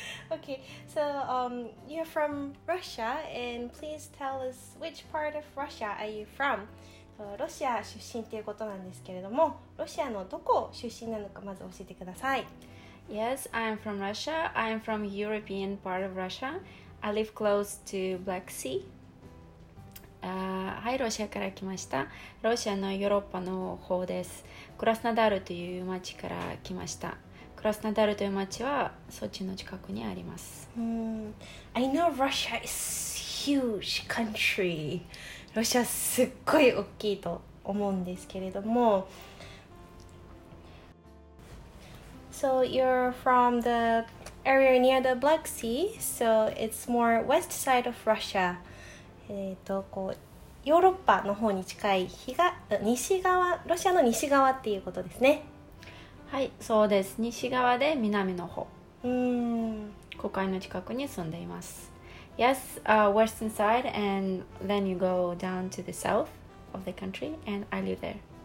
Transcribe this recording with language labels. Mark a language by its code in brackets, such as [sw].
[en] Okay, so you're from Russia, and please tell us which part of Russia are you from? [ja] ロシア出身っていうことなんですけれども、ロシアのどこ出身なのかまず教えてください。 [en] Yes, I'm from Russia. I'm from European part of Russia. I live close to Black Sea. [ja] はい、ロシアから来ました。ロシアのヨーロッパの方です。クラスナダールという町から来ました。クラスナダルという街はソチの近くにあります。 [en] I know Russia is huge country. [ja] ロシアすっごい大きいと思うんですけれども。 [en] So you're from the area near the Black Sea, so it's more west side of Russia. [ja] こうヨーロッパの方に近い西側、ロシアの西側っていうことですね。はい、そうです。西側で南の方。湖海の近くに住んでいます。 [en] Yes, western side, and then you go down to the south of the country, and I live there.